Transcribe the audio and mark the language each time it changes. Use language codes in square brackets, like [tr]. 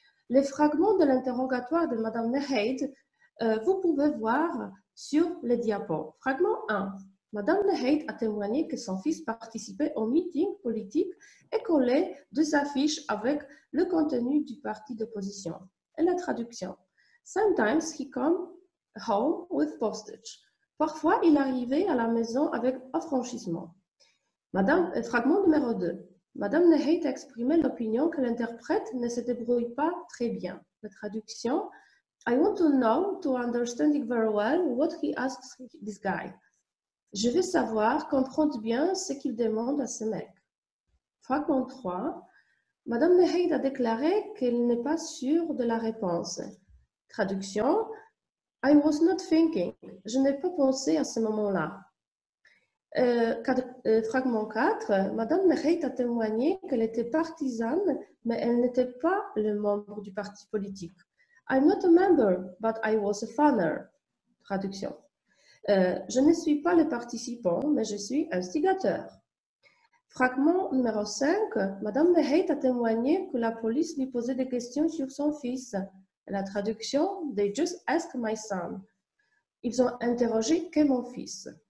[fr] Les fragments de l'interrogatoire de Madame Neheit, vous pouvez voir sur les diapos. Fragment 1. Madame Neheit a témoigné que son fils participait au meeting politique et collait deux affiches avec le contenu du parti d'opposition. Et la traduction. [en] Sometimes he comes home with postage. [fr] Parfois, il arrivait à la maison avec affranchissement. Fragment numéro 2. Madame Neheit a exprimé l'opinion que l'interprète ne se débrouille pas très bien. La traduction, [en] I want to know to understand it very well what he asks this guy. [fr] Je veux savoir, comprendre bien ce qu'il demande à ce mec. Fragment 3. Madame Neheit a déclaré qu'elle n'est pas sûre de la réponse. Traduction, [en] I was not thinking. [fr] Je n'ai pas pensé à ce moment-là. Fragment 4. Madame Neheit a témoigné qu'elle était partisane, mais elle n'était pas le membre du parti politique. [en] I'm not a member, but I was a funner. [fr] Traduction. Je ne suis pas le participant, mais je suis instigateur. Fragment numéro 5. Madame Neheit a témoigné que la police lui posait des questions sur son fils. La traduction, [en] they just asked my son. [fr] Ils ont interrogé que mon fils.